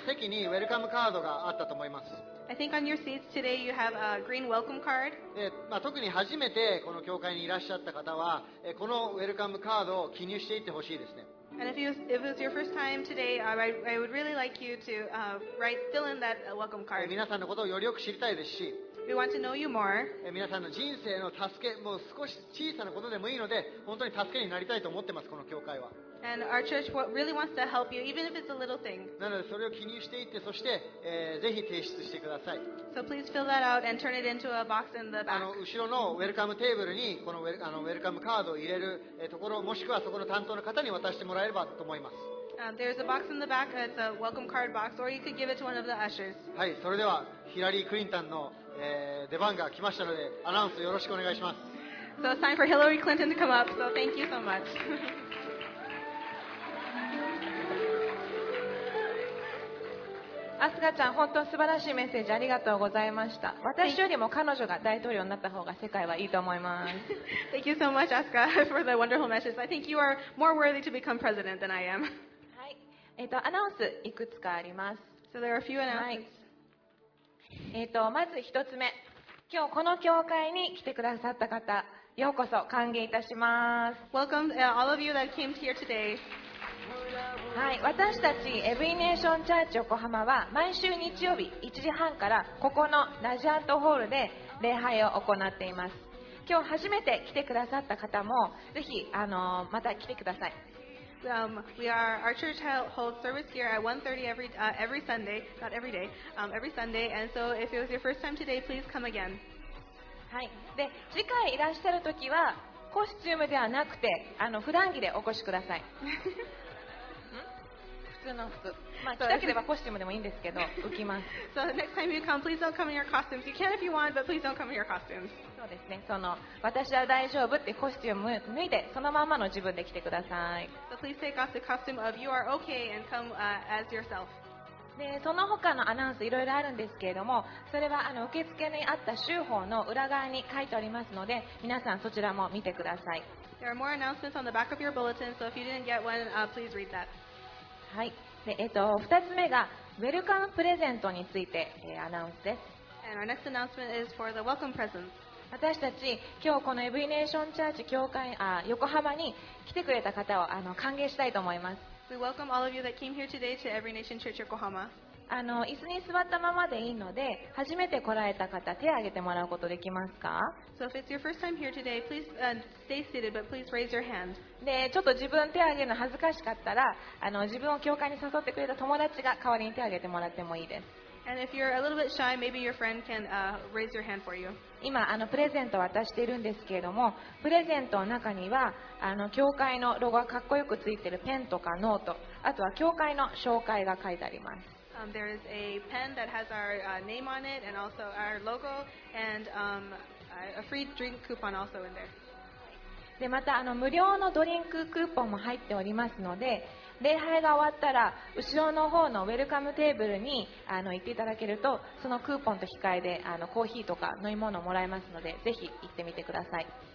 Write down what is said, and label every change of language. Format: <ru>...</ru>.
<en>I think on your seats today you have a green welcome card.</en> <ja>まあ、特に初めてこの教会にいらっしゃった方は、このウェルカムカードを記入していってほしいですね。</ja> <en>And if it was your first time today, I would really like you to fill in that welcome card.</en> <ja>皆さんのことをよりよく知りたいですし、</ja> <en>We want to know you more.</en> <ja>皆さんの人生の助け、もう少し小さなことでもいいので、本当に助けになりたいと思ってます、この教会は。</ja> <en>And our church really wants to help you, even if it's a little thing.</en> <ja>なのでそれを記入していって、そして、ぜひ提出してください。</ja> <en>So please fill that out and turn it into a box in the back.</en> <ja>後ろのウェルカムテーブルにこのウェルカムカードを入れるところ、もしくはそこの担当の方に渡してもらえればと思います。</ja> <en>There's a box in the back. It's a welcome card box, or you could give it to one of the ushers.</en> <ja>はい、それではヒラリー・クリントンの、出番が来ましたので、アナウンスよろしくお願いします。</ja> <en>So it's time for Hillary Clinton to come up. So thank you so much.</en> <ja>アスカちゃん、本当に素晴らしいメッセージありがとうございました。私よりも彼女が大統領になった方が世界はいいと思います。</ja> <en>Thank you so much, Asuka, for the wonderful message. I think you are more worthy to become president than I am.</en> <ja>はい。アナウンス、いくつかあります。</ja> <en>So there are a few announcements. はい。</en> <ja>まず一つ目。今日この教会に来てくださった方、ようこそ歓迎いたします。</ja> <en>Welcome, all of you that came here today.</en> <ja>はい、私たちエブリネーションチャーチ横浜は毎週日曜日1時半からここのラジアントホールで礼拝を行っています。今日初めて来てくださった方もぜひ、また来てください。</ja> <en>Our church holds service here at 1:30 every Sunday, not every day, every Sunday, and so if it was your first time today, please come again.</en> <ja>はい、で次回いらっしゃるときはコスチュームではなくて普段着でお越しください。</ja> <en>So next time you come, please don't come in your costumes. You can if you want, but please don't come in your costumes.</en> <ja>そうですね。その私は大丈夫ってコスチューム脱いでそのままの自分で来てください。</ja> <en>So please take off the costume of you are okay and come as yourself.</en> <ja>で、その他のアナウンスいろいろあるんですけれども、それは受付にあった週報の裏側に書いておりますので、皆さんそちらも見てください。</ja> <en>There are more announcements on the back of your bulletin, so if you didn't get one, please read that.</en> <ja>はい、で2つ目がウェルカムプレゼントについて、アナウンスです。</ja> <en>And our next announcement is for the welcome presents.</en> <ja>私たち今日このエブリネーションチャーチ教会横浜に来てくれた方を歓迎したいと思います。</ja> <en>We welcome all of you that came here today to Every Nation Church Yokohama.</en> <ja>椅子に座ったままでいいので初めて来られた方手を挙げてもらうことできますか。</ja> <en>So if it's your first time here today, please stay seated, but please raise your hand.</en> <ja>でちょっと自分手を挙げるの恥ずかしかったら自分を教会に誘ってくれた友達が代わりに手を挙げてもらってもいいです。</ja> <en>And if you're a little bit shy, maybe your friend can raise your hand for you.</en> <ja>今プレゼントを渡しているんですけれどもプレゼントの中には教会のロゴがかっこよくついているペンとかノート、あとは教会の紹介が書いてあります。</ja> <en>There is a pen that has our name on it, and also our logo, and a free drink coupon also in there.</en> <ja>でまた無料のドリンククーポンも入っておりますので、礼拝が終わったら後ろの方のウェルカムテーブルに行っていただけると、そのクーポンと引き換えでコーヒーとか飲み物をもらえますので、ぜひ行ってみてください。</ja>